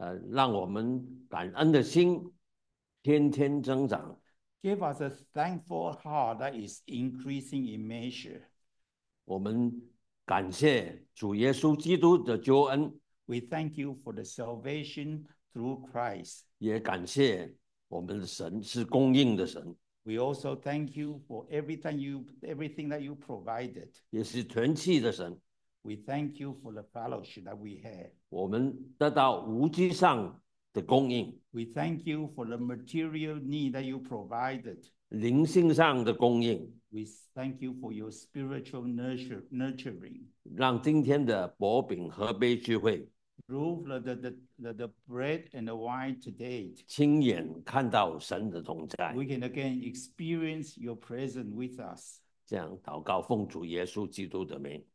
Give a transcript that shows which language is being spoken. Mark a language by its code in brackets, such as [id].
[zh] 让我们感恩的心天天增长。 [en] Give us a thankful heart that is increasing in measure. [zh] 我们感谢主耶稣基督的救恩。 [en] We thank you for the salvation through Christ. [zh] 也感谢我们的神是供应的神。 [en] We also thank you for everything that you provided. [zh] 也是团契的神。 [en] We thank you for the fellowship that we have. [zh] 我们得到无机上的供应。 [en] We thank you for the material need that you provided. [zh] 灵性上的供应。 [en] We thank you for your spiritual nurturing. [zh] 让今天的薄饼和杯聚会。 [en] Through the bread and the wine today. [zh] 亲眼看到神的同在。 [en] We can again experience your presence with us. [zh] 这样祷告奉主耶稣基督的名。